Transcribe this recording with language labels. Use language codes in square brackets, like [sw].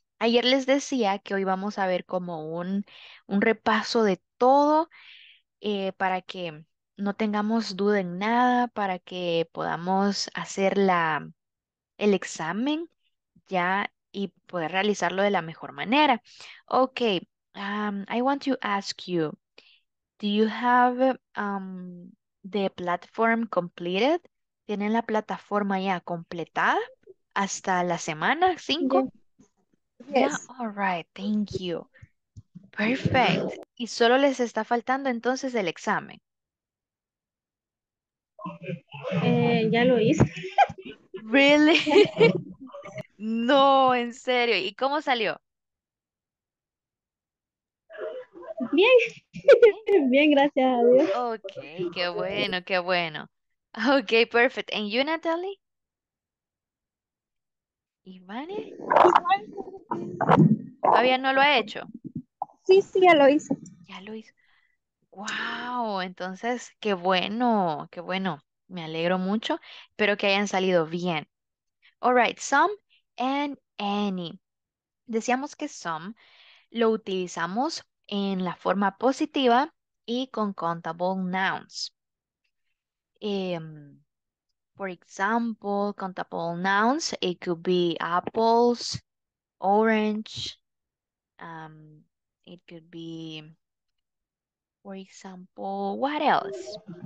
[es] Ayer les decía que hoy vamos a ver como un repaso de todo para que no tengamos duda en nada, para que podamos hacer el examen ya y poder realizarlo de la mejor manera. [en] Ok, I want to ask you, do you have the platform completed? [es] ¿Tienen la plataforma ya completada hasta la semana 5? Ya, [en] Yes. all right, thank you. Perfect. [es] Y solo les está faltando entonces el examen. Ya lo hice. ¿Really? No, en serio. ¿Y cómo salió? Bien, bien, gracias a Dios. Ok, qué bueno, qué bueno. [en] Okay, perfect. And you, [es] Natalie? Ivane? ¿Todavía no lo ha hecho? Sí, ya lo hice. Ya lo hizo. Wow, entonces, qué bueno, qué bueno. Me alegro mucho. Espero que hayan salido bien. [en] All right, some and any. [es] Decíamos que some lo utilizamos en la forma positiva y con countable nouns. [en] For example, countable nouns, it could be apples, orange, it could be, for example, what else?